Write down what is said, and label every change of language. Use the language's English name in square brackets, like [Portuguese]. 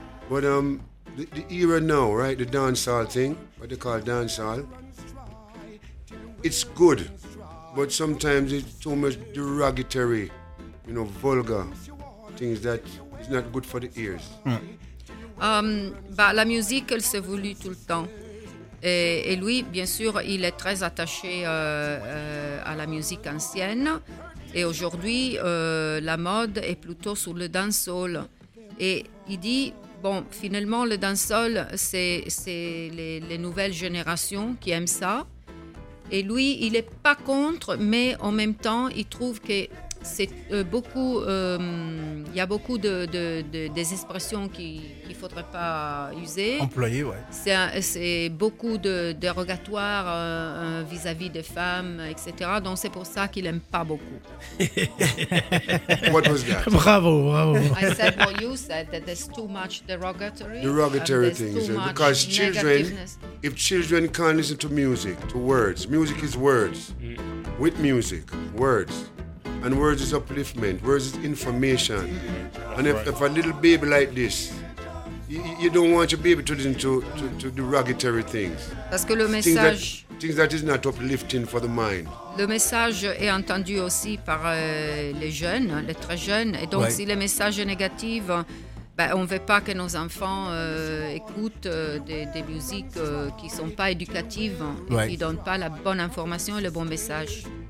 [English] But the era now, right, the dancehall thing, what they call dancehall, it's good, but sometimes it's too much derogatory, you know, vulgar things that is not good for the ears. [French] Mm. La musique, elle s'évolue tout le temps. Et lui, bien sûr, il est très attaché à la musique ancienne. Et aujourd'hui, la mode est plutôt sur le dancehall. Et il dit, bon, finalement, le dancehall, c'est les nouvelles générations qui aiment ça. Et lui, il n'est pas contre, mais en même temps, il trouve que c'est beaucoup, y a beaucoup des expressions qu'il ne faudrait pas user. Employer, oui. C'est beaucoup de dérogatoires vis-à-vis des femmes, etc. Donc, c'est pour ça qu'il n'aime pas beaucoup. [English] What was that? Bravo, bravo. I said what you said, that there's too much derogatory. Derogatory things. Because children, if children can't listen to music, to words, music is words. Mm-hmm. With music, words. And words is upliftment, words is information. Mm-hmm. And if a little baby like this, you don't want your baby to listen to derogatory things. [French] Parce que le message... [English] things that is not uplifting for the mind. [French] Le message est entendu aussi par les jeunes, les très jeunes. Et donc, si le message est négatif, on ne veut pas que nos enfants écoutent des musiques qui ne sont pas éducatives et qui ne donnent pas la bonne information et le bon message.